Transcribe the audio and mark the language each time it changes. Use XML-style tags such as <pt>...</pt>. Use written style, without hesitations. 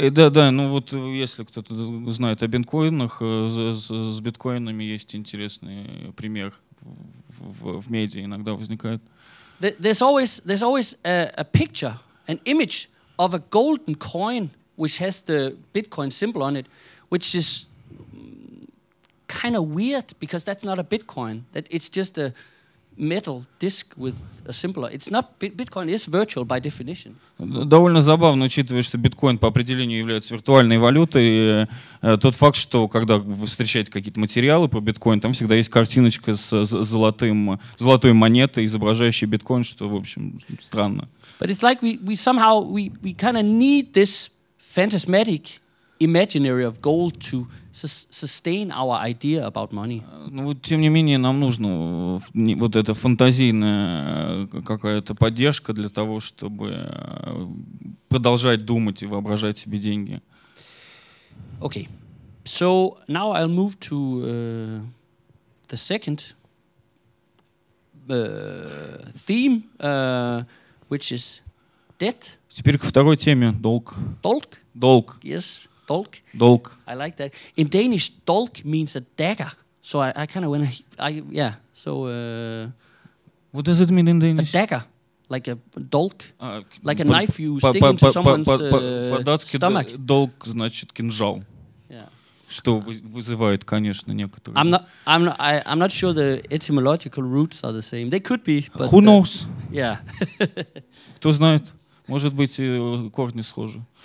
<ru>Да, ну вот если кто-то знает о биткоинах, с биткоинами есть интересный пример в медиа иногда возникает.</ru> <en>There's always a picture, an image of a golden coin which has the Bitcoin symbol on it, which is kind of weird because that's not a Bitcoin. That it's just a metal disc with a symbol. It's not Bitcoin. It's virtual by definition.</en> <ru>Довольно забавно, учитывая, что биткоин по определению является виртуальной валютой, тот факт, что когда вы встречаете какие-то материалы про биткоин, там всегда есть картиночка с золотой монетой, изображающей биткоин, что, в общем, странно.</ru> <en>But it's like we somehow kind of need this phantasmatic imaginary of gold to sustain our idea about money.</en> <ru>Ну вот тем не менее нам нужно вот эта фантазийная какая-то поддержка для того, чтобы продолжать думать и воображать себе деньги.</ru> <en>Okay. So now I'll move to the second theme, which is debt.</en> <ru>Теперь ко второй теме долг. Долг? Долг.</ru> <en>Yes. Долг.</en> <ru>Долг.</ru> <en>I like that. In Danish, долг means a dagger. So I kind of went, What does it mean in Danish? A dagger, like a долг, like a knife you stick into someone's stomach.</en> <ru>Долг значит кинжал.</ru> <en>Yeah.</en> <ru>Что вызывает, конечно, некоторые.</ru> <en>I'm not sure the etymological roots are the same. They could be. But who knows? Yeah.</en> <ru>Кто знает? Может быть, и корни схожи.</ru>